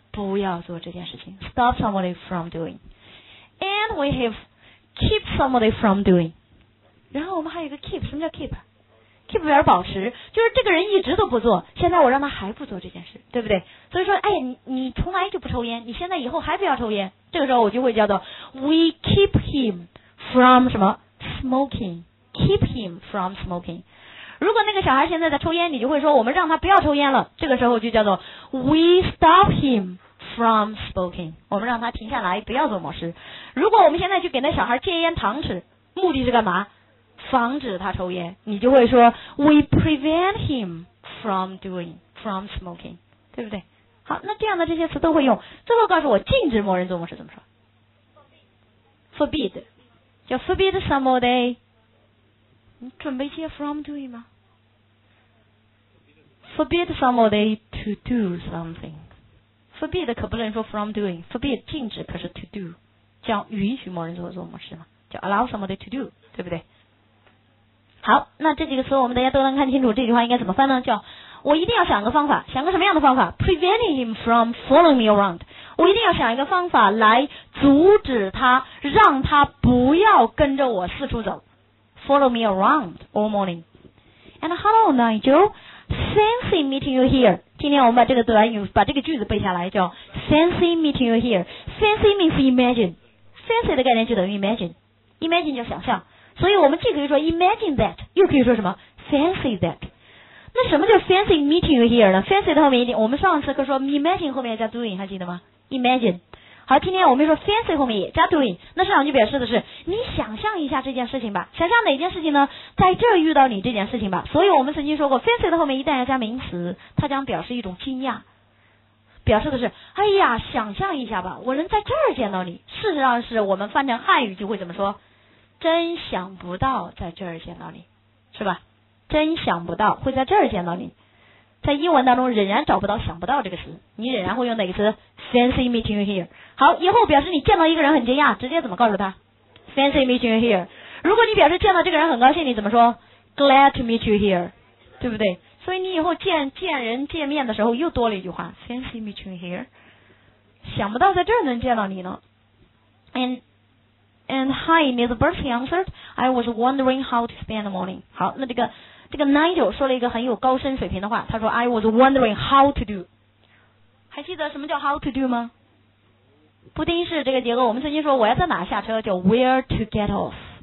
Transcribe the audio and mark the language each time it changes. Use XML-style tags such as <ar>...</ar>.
<zh>不要做这件事情。</zh> <en>Stop somebody from doing。 And we have keep somebody from doing。</en> <zh>然后我们还有一个 keep， 什么叫 keep？ Keep 表示保持，就是这个人一直都不做，现在我让他还不做这件事，对不对？所以说哎，你从来就不抽烟，你现在以后还不要抽烟，这个时候我就会叫做 We keep him from 什么 smoking。</zh> <en>Keep him from smoking。</en> <zh>如果那个小孩现在在抽烟，你就会说我们让他不要抽烟了，这个时候就叫做</zh> <en>we stop him from smoking，</en> <zh>我们让他停下来不要做某事。如果我们现在去给那小孩戒烟糖吃，目的是干嘛？防止他抽烟，你就会说</zh> <en>we prevent him from doing from smoking，</en> <zh>对不对？好，那这样的这些词都会用。最后告诉我禁止某人做某事怎么说？ forbid， 叫 forbid somebody。你准备接 from doing 吗？</zh> <en>forbid somebody to do something。</en> <zh>forbid 可不能说 from doing， forbid 禁止，可是 to do 叫允许某人做某事嘛，叫 allow somebody to do， 对不对？好，那这几个词我们大家都能看清楚，这句话应该怎么翻呢？叫我一定要想个方法，想个什么样的方法？</zh> <en>Preventing him from following me around，</en> <zh>我一定要想一个方法来阻止他，让他不要跟着我四处走。</zh> <en>Follow me around all morning. And hello Nigel, fancy meeting you here.</en> <zh>今天我们把这个短语，把这个句子背下来，叫</zh> <en>fancy meeting you here. Fancy means imagine，</en> <zh>fancy 的概念就等于 imagine， imagine 就想象，所以我们既可以说 imagine that， 又可以说什么 fancy that。那什么叫 fancy meeting you here 呢？ fancy 的后面一定，我们上次课说 imagine 后面加 doing， 还记得吗？</zh> <en>imagine。</en> <zh>好，今天我们说 fancy 后面也加 doing， 那上两句表示的是你想象一下这件事情吧，想象哪件事情呢？在这遇到你这件事情吧。所以我们曾经说过 fancy 的后面一旦要加名词，它将表示一种惊讶，表示的是哎呀想象一下吧，我能在这儿见到你。事实上是我们翻成汉语就会怎么说？真想不到在这儿见到你，是吧？真想不到会在这儿见到你。在英文当中仍然找不到想不到这个词，你仍然会用哪个词？</zh> <en>fancy meeting you here。</en> <zh>好，以后表示你见到一个人很惊讶，直接怎么告诉他？</zh> <en>fancy meeting you here。</en> <zh>如果你表示见到这个人很高兴，你怎么说？</zh> <en>glad to meet you here，</en> <zh>对不对？所以你以后见人见面的时候又多了一句话，</zh> <en>fancy meeting you here，</en> <zh>想不到在这儿能见到你呢。</zh> <en>And hi, Miss Bertie answered. I was wondering how to spend the morning.</en> <zh>好，那这个 Nigel 说了一个很有高深水平的话，他说</zh> <en>I was wondering how to do.</en> <zh>还记得什么叫 how to do 吗？不定式这个结构，我们曾经说我要在哪下车，叫 where to get off.</zh>